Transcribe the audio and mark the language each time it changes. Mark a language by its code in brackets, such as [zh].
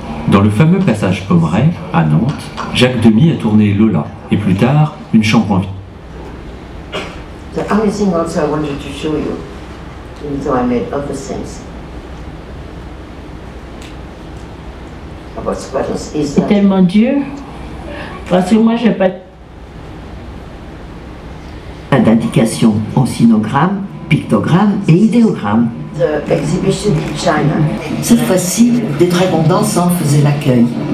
[fr] Dans le fameux passage Pommeray, à Nantes, Jacques Demy a tourné Lola et plus tard Une chambre en vie. [en] The only thing also I wanted to show you, even though I made other things about squatters, is that. [fr] C'est tellement dur, parce que moi j'ai pas. Pas d'indication en sinogramme, pictogramme et idéogramme. [en] The exhibition in China. [fr] Cette fois-ci, des très bons dansants faisaient l'accueil.